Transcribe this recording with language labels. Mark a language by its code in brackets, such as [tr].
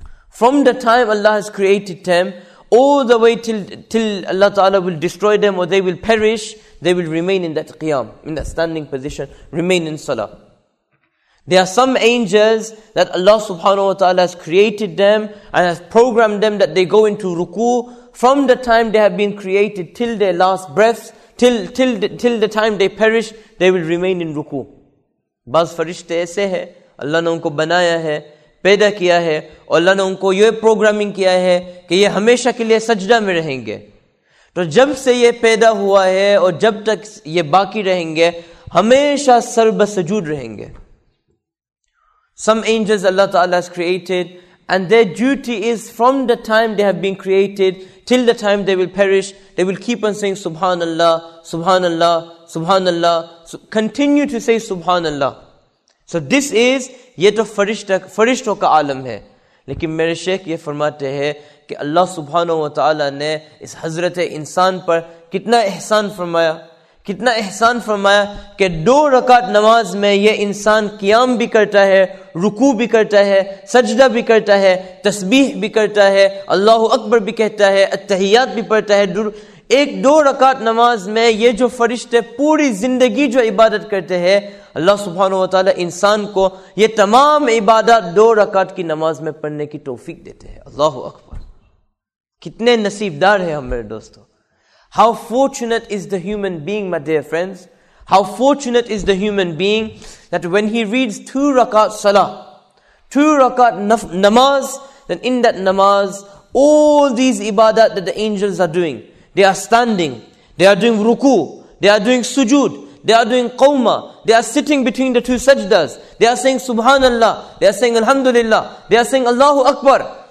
[en] From the time Allah has created them, all the way till Allah Ta'ala will destroy them or they will perish, they will remain in that Qiyam, in that standing position, remain in Salah. There are some angels that Allah Subhanahu Wa Ta'ala has created them and has programmed them that they go into Ruku from the time they have been created till their last breaths, till the time they perish, they will remain in Ruku. [ur] بعض فرشتے ایسے ہیں اللہ نے ان کو بنایا ہے پیدا کیا ہے اور اللہ نے ان کو یہ پروگرامنگ کیا ہے کہ یہ ہمیشہ کے لیے سجدہ میں رہیں گے. تو جب سے یہ پیدا ہوا ہے اور جب تک یہ باقی رہیں گے ہمیشہ سر بسجود رہیں گے. [en] Some angels Allah Ta'ala has created, and their duty is from the time they have been created till the time they will perish, they will keep on saying Subhanallah, Subhanallah, Subhanallah, so continue to say Subhanallah. So this is [ur] یہ تو فرشتوں کا عالم ہے. لیکن میرے شیخ یہ فرماتے ہے کی اللہ سبحانہ و تعالیٰ نے اس حضرت انسان پر کتنا احسان فرمایا. کتنا احسان فرمایا کے دو رکعت نماز میں یہ انسان قیام بھی کرتا ہے، رکوع بھی کرتا ہے، سجدہ بھی کرتا ہے، تسبیح بھی کرتا ہے، اللہ اکبر بھی کہتا ہے، التحیات بھی پڑھتا ہے. ایک دو رکعت نماز میں یہ جو فرشتے پوری زندگی جو عبادت کرتے ہے، اللہ سبحانہ و تعالیٰ انسان کو یہ تمام عبادت دو رکعت کی نماز میں پڑھنے کی توفیق دیتے ہے. [ar] Allahu Akbar. [ur] کتنے نصیب دار ہے ہم میرے دوستو. [en] How fortunate is the human being, my dear friends. How fortunate is the human being that when he reads two rakat salah, two rakat namaz, then in that namaz, all these ibadat that the angels are doing, they are standing, they are doing ruku, they are doing sujood, they are doing qawma, they are sitting between the two sajdas, they are saying Subhanallah, they are saying Alhamdulillah, they are saying Allahu Akbar.